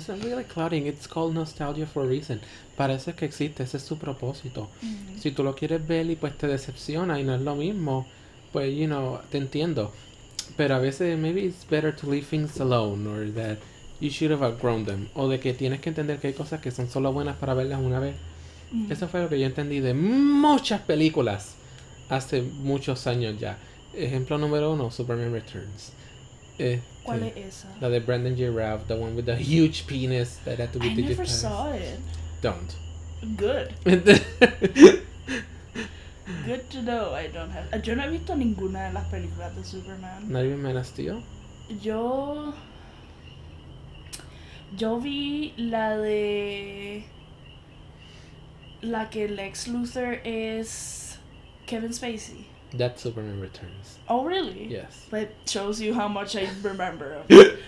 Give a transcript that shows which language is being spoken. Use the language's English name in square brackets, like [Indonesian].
[English] It's not really clouding. It's called nostalgia for a reason. [Spanish] Parece que existe. Ese es su propósito. Mm-hmm. Si tú lo quieres ver y pues te decepciona y no es lo mismo, pues, you know, te entiendo. Pero a veces, [English] maybe it's better to leave things alone, or that you should have outgrown them. [Spanish] O de que tienes que entender que hay cosas que son solo buenas para verlas una vez. Mm-hmm. Eso fue lo que yo entendí de muchas películas hace muchos años ya. Ejemplo número uno, Superman Returns. ¿Cuál es esa? La de Brandon J. [English] Ralph, the one with the huge penis that had to be digitized. I never saw it. Don't. Good. Good to know. I don't have. [Spanish] Yo no he visto ninguna de las películas de Superman. [English] ¿Not even Man of Steel? [Spanish] Yo vi la de la que Lex Luthor es Kevin Spacey. [English] That Superman Returns. Oh, really? Yes. But shows you how much I remember of it.